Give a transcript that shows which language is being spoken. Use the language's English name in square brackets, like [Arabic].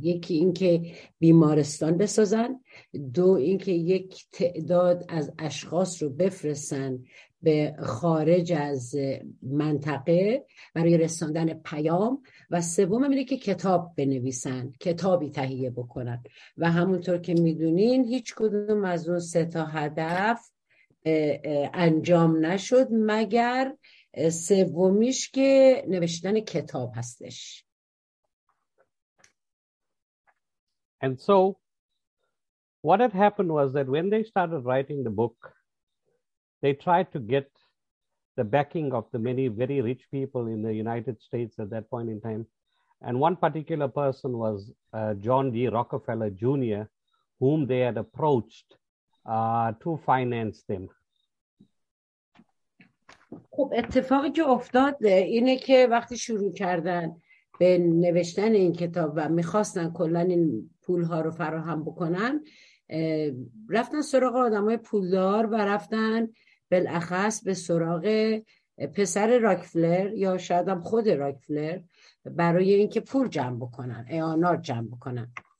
[Persian] یکی اینکه بیمارستان بسازن، دو اینکه یک تعداد از اشخاص رو بفرستن به خارج از منطقه برای رساندن پیام، و سوم اینه که کتابی تهیه بکنن. و همونطور که میدونین هیچ کدوم از اون سه تا هدف انجام نشد مگر سومیش که نوشتن کتاب هستش. [English] And so what had happened was that when they started writing the book, they tried to get the backing of the many very rich people in the United States at that point in time. And one particular person was John D. Rockefeller Jr., whom they had approached to finance them. [Persian] خب اتفاقی که افتاد اینه که وقتی شروع کردن به نوشتن این کتاب و میخواستن کلن این پولها رو فراهم بکنن، رفتن سراغ آدم های پولدار و رفتن بالاخص به سراغ پسر راکفلر یا شاید هم خود راکفلر برای اینکه پول جمع بکنن، اعانات جمع بکنن.